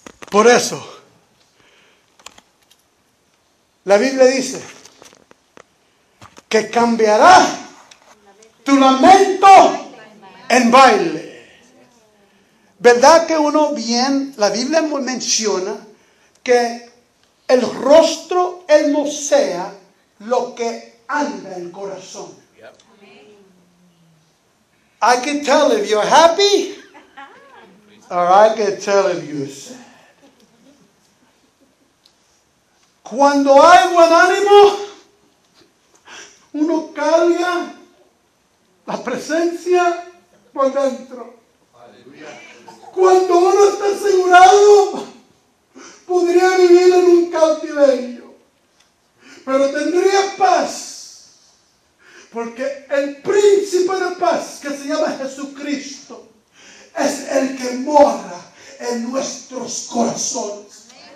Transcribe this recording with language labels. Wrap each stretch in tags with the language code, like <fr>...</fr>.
<es>Por eso, la Biblia dice que cambiará tu lamento en baile. ¿Verdad que uno bien, la Biblia menciona que el rostro Él no sea lo que anda el corazón.</es> <en>I can tell if you're happy or I can tell if you're sad.</en> <es>Cuando hay buen ánimo, uno carga la presencia por dentro. Cuando uno está asegurado, podría vivir en un cautiverio, pero tendría paz, porque el príncipe de paz, que se llama Jesucristo, es el que mora en nuestros corazones.</es>